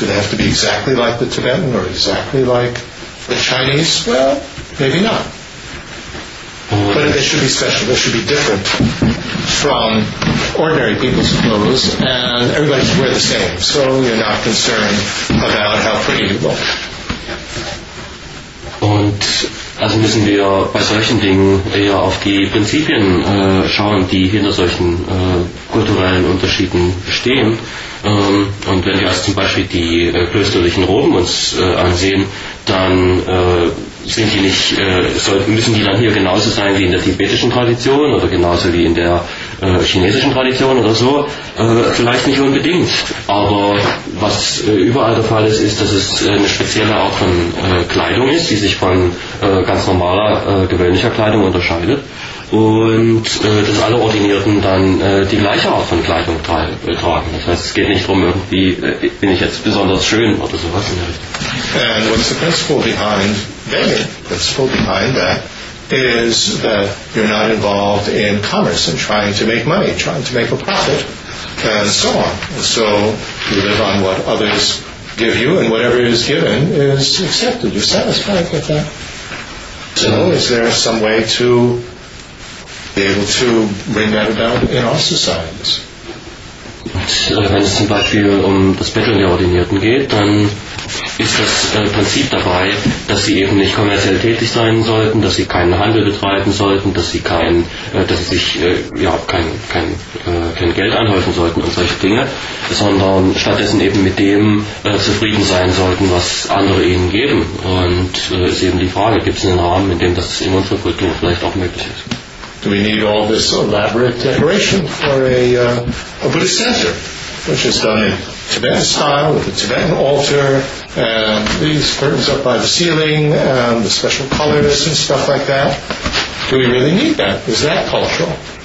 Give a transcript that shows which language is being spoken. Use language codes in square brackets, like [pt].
[en] Do they have to be exactly like the Tibetan or exactly like the Chinese? Well, maybe not. But they should be special. They should be different from ordinary people's clothes, and everybody should wear the same, so you're not concerned about how pretty you look. [de] Und also müssen wir bei solchen Dingen eher auf die Prinzipien schauen, die hinter solchen kulturellen Unterschieden stehen. Und wenn wir uns zum Beispiel die klösterlichen Roben ansehen, dann müssen die dann hier genauso sein wie in der tibetischen Tradition oder genauso wie in der chinesischen Tradition oder so? Vielleicht nicht unbedingt. Aber was überall der Fall ist, ist, dass es eine spezielle Art von Kleidung ist, die sich von ganz normaler, gewöhnlicher Kleidung unterscheidet. Und dass alle Ordinierten dann die gleiche Art von Kleidung tragen. Das heißt, es geht nicht darum, irgendwie bin ich jetzt besonders schön oder sowas in der Richtung. [en] And what's the principle behind begging? The principle behind that is that you're not involved in commerce and trying to make money, trying to make a profit, and so on. So you live on what others give you, and whatever is given is accepted. You're satisfied with that. So is there some way to be able to bring that about in our societies? [de] Und wenn es zum Beispiel um das Betteln der Ordinierten geht, dann ist das Prinzip dabei, dass sie eben nicht kommerziell tätig sein sollten, dass sie keinen Handel betreiben sollten, dass sie sich kein Geld anhäufen sollten und solche Dinge, sondern stattdessen eben mit dem zufrieden sein sollten, was andere ihnen geben. Und ist eben die Frage, gibt es einen Rahmen, in dem das in unserer Kultur vielleicht auch möglich ist? [en] Do we need all this elaborate decoration for a Buddhist center, which is done in Tibetan style with a Tibetan altar and these curtains up by the ceiling and the special colors and stuff like that? Do we really need that? Is that cultural?